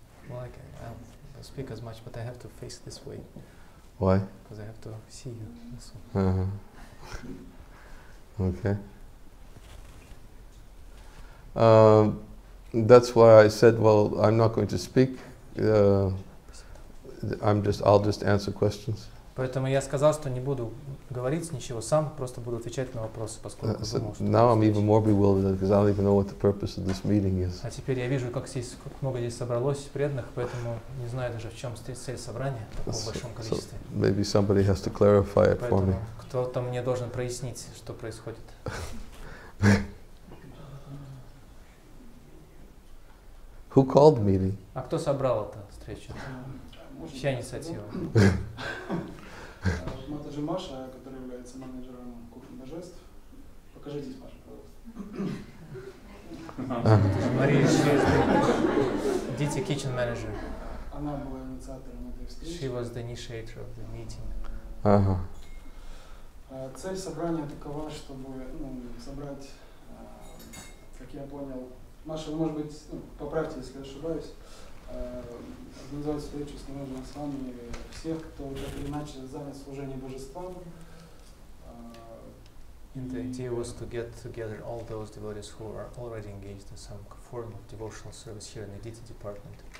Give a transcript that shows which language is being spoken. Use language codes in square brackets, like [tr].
[en] Well, I'll speak as much, but I have to face this way. Why? Because I have to see you. So. Okay. That's why I said, well, I'm not going to speak. I'll just answer questions. [ru] Поэтому я сказал, что не буду говорить ничего сам, просто буду отвечать на вопросы, поскольку думал, что... [en] Now I'm even more bewildered, because I don't even know what the purpose of this meeting is. [ru] А теперь я вижу, как много здесь собралось преданных, поэтому не знаю даже, в чем цель собрания, такого большом количестве. [en] Maybe somebody has to clarify it for me. [ru] Кто-то мне должен прояснить, что происходит. [en] Who called meeting? [ru] А кто собрал эту встречу? Чья инициатива? Это же Маша, которая является менеджером кухни божеств. Покажитесь, Маша, пожалуйста. Мария Шизда. Дети kitchen manager. Она была инициатором этой встречи. [en] She was the initiator of the meeting. [ru] Цель собрания такова, чтобы собрать, как я понял. Маша, вы, может быть, поправьте, если я ошибаюсь. Организовать встречу с Niranjana Swami всех, кто так или иначе занят служением божествам. [en] The idea was to get together all those devotees who are already engaged in some form of devotional service here in the Deity department.